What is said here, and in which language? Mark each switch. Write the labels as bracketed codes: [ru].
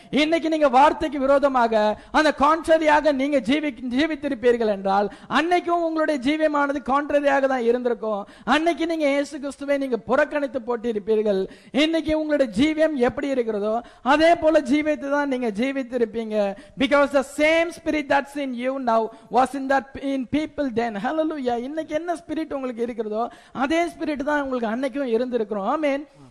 [ta] இன்னைக்கு நீங்க வார்த்தைக்கு விரோதமாக அந்த கான்ட்ரரியாக நீங்க ஜீவித்திருப்பீர்கள் என்றால் அன்னைக்கும் உங்களுடைய ஜீவியமானது கான்ட்ரரியாக தான் இருந்திருக்கும். அன்னைக்கு நீங்க இயேசு கிறிஸ்துவை நீங்க புறக்கணித்து போட்டிருப்பீர்கள். இன்னைக்கு உங்களுடைய ஜீவியம் எப்படி இருக்கிறதோ அதே போல ஜீவித்து தான் நீங்க ஜீவித்திருப்பீங்க. [en] Because the same spirit that's in you now was in that in people then. Hallelujah. [ta] இன்னைக்கு என்ன ஸ்பிரிட் உங்களுக்கு இருக்கிறதோ அதே ஸ்பிரிட் தான் உங்களுக்கு அன்னைக்கும் இருந்திருக்கும். ஆமென்.